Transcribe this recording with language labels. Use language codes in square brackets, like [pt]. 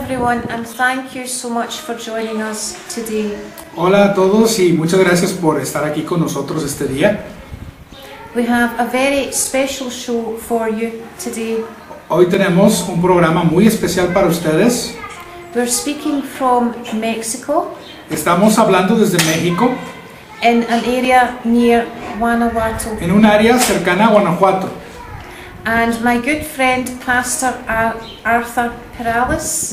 [en] And thank you so much for joining us today. [es] Hola a todos y muchas gracias por estar aquí con nosotros este día. [en] We have a very special show for you today. [es] Hoy tenemos un programa muy especial para ustedes. [en] We're speaking from Mexico. [es] Estamos hablando desde México. [en] In an area near Guanajuato. [es] En un área cercana a Guanajuato. [en] And my good friend, Pastor Arthur Perales.